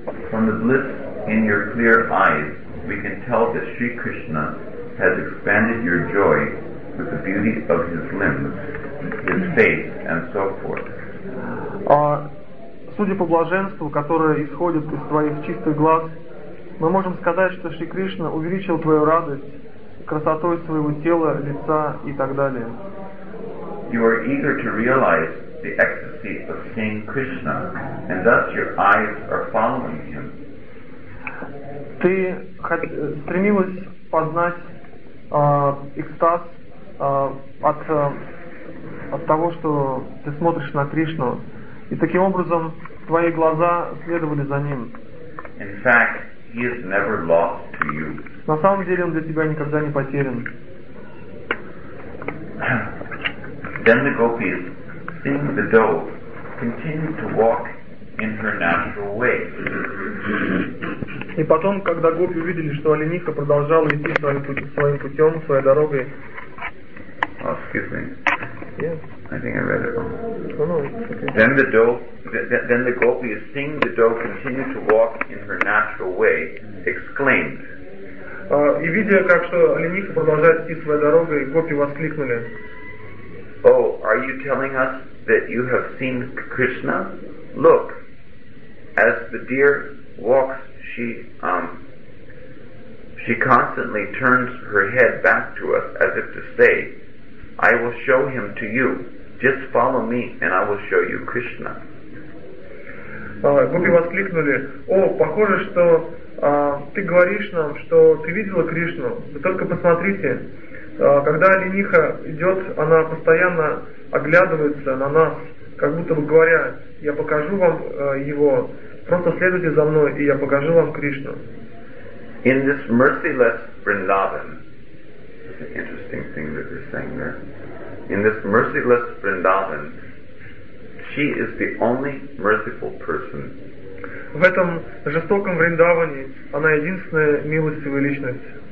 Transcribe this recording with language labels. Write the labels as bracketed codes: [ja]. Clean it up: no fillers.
[en] From the bliss in your clear eyes, we can tell that Sri Krishna has expanded your joy with the beauty of his limbs, his face, and so forth. [ru] Судя по блаженству, которое исходит из твоих чистых глаз, мы можем сказать, что Шри Кришна увеличил твою радость красотой своего тела, лица и так далее. [en] You are eager to realize the ecstasy of seeing Krishna, and thus your eyes are following him. [ru] Ты стремилась познать экстаз от того, что ты смотришь на Кришну, и таким образом твои глаза следовали за ним. [en] In fact, he is never lost to you. [ru] На самом деле он для тебя никогда не потерян. [en] Then the gopis, seeing the doe, continued to walk in her natural way. [ru] И потом, когда гопи увидели, что олениха продолжала идти своим путем, своей дорогой. [en] Oh, excuse me. Yes. I think I read it wrong. Oh, no, okay. Then the gopis, seeing the doe continue to walk in her natural way, exclaimed. [ru] И видя, как что олениха продолжает идти своей дорогой, гопи воскликнули. [en] Oh, are you telling us that you have seen Krishna? Look, as the deer walks, she constantly turns her head back to us as if to say, I will show him to you. Just follow me and I will show you Krishna. [ru] Гопи воскликнули, о, похоже, что ты говоришь нам, что ты видела Кришну. Вы только посмотрите. Когда олениха идет, она постоянно оглядывается на нас, как будто бы говоря, я покажу вам его, просто следуйте за мной, и я покажу вам Кришну. [en] In this merciless Vrindavan, that's an interesting thing that you're saying there, in this merciless Vrindavan, she is the only merciful person. [ru] В этом жестоком Вриндаване она единственная милостивая личность.